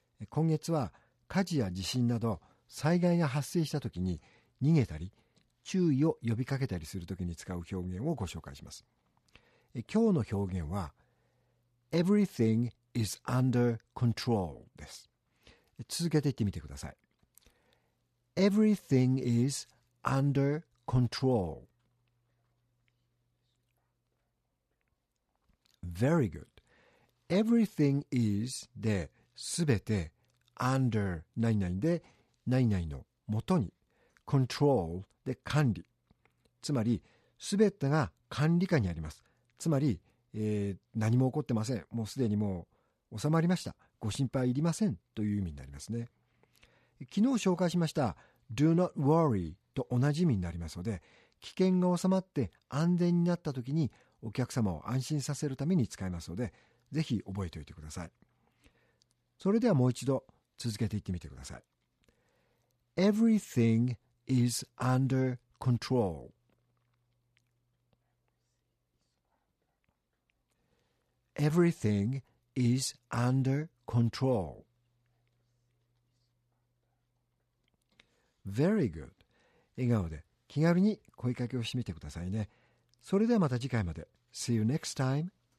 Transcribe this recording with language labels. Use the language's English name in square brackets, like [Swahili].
[Japanese] 今月は火事や地震など災害が発生したときに逃げたり、注意を呼びかけたりするときに使う表現をご紹介します。今日の表現は [English] Everything is under control [Japanese] です。続けて言ってみてください。 [English] Everything is under control. Very good. Everything is [Japanese] で全て under 何々で何々のもとに control で管理、つまり全てが管理下にあります。つまり、何も起こってません、もうすでにもう収まりました、ご心配いりませんという意味になりますね。昨日紹介しました [English] Do not worry [Japanese] と同じ意味になりますので、危険が収まって安全になった時にお客様を安心させるために使いますので、ぜひ覚えておいてください。それではもう一度続けていってみてください。 [English] Everything is under controlEverything is under control. Very good. [Japanese] 笑顔で気軽に声かけをしてみてくださいね。それではまた次回まで。 [English] See you next time.